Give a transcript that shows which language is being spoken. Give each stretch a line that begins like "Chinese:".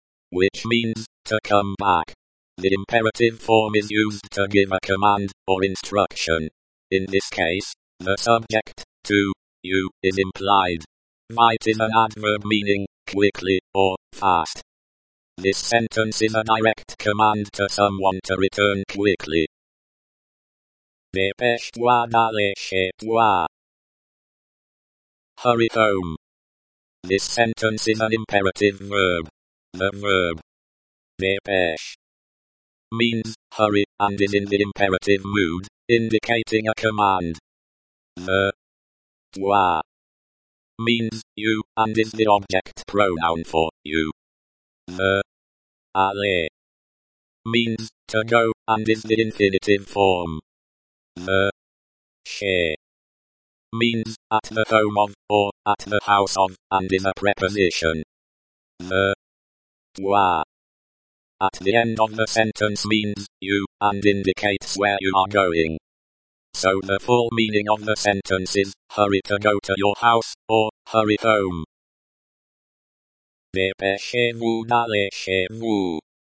English: Which means to come back. The imperative form is used to give a command or instruction. In this case, the subject, to, you, is implied. Vite is an adverb meaning quickly or fast. This sentence is a direct command to someone to return quickly.
French: Dépêche-toi d'aller chez toi.
English: Hurry home. This sentence is an imperative verb. The verb dépêche means hurry and is in the imperative mood, indicating a command. Le toi means you and is the object pronoun for you. Le aller means to go and is the infinitive form. Le chez means at the home of or at the house of and is a preposition. Le toi at the end of the sentence means you and indicates where you are going. So the full meaning of the sentence is hurry to go to your house or hurry home.
French: Dépêchez-vous d'aller chez vous.